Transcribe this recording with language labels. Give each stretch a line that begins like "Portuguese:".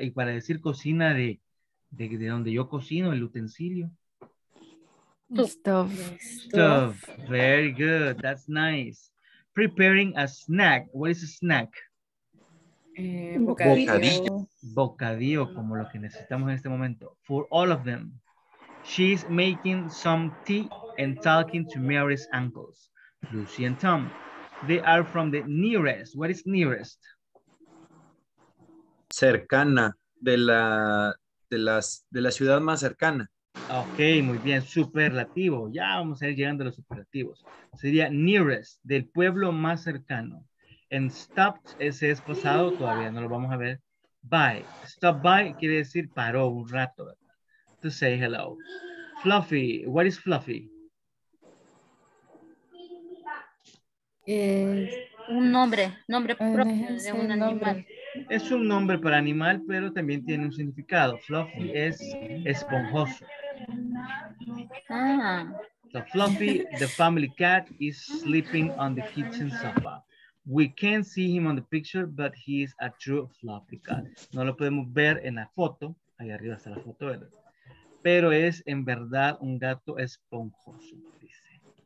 Spanish: Y para decir cocina de donde yo cocino, el utensilio.
English: Stuff. Very good. That's nice. Preparing a snack. What is a snack?
Spanish: Bocadillo. Bocadillo, como lo que necesitamos en este momento.
English: For all of them. She's making some tea and talking to Mary's uncles, Lucy and Tom. They are from the nearest. What is nearest?
Spanish: Cercana, de la ciudad más cercana. Ok, muy bien, superlativo. Ya vamos a ir llegando a los superlativos. Sería nearest, del pueblo más cercano.
English: And stopped,
Spanish: ese es pasado, todavía no lo vamos a ver. By, stop by quiere decir paró un rato, ¿verdad?
English: To say hello. Fluffy, what is Fluffy?
Spanish: Un nombre propio de un animal. Es un nombre para animal, pero también tiene un significado. Fluffy es esponjoso. Ah.
English: So Fluffy, the family cat, is sleeping on the kitchen sofa. We can't see him on the picture, but he is a true Fluffy cat.
Spanish: No lo podemos ver en la foto. Ahí arriba está la foto, ¿verdad? Pero es en verdad un gato esponjoso, dice.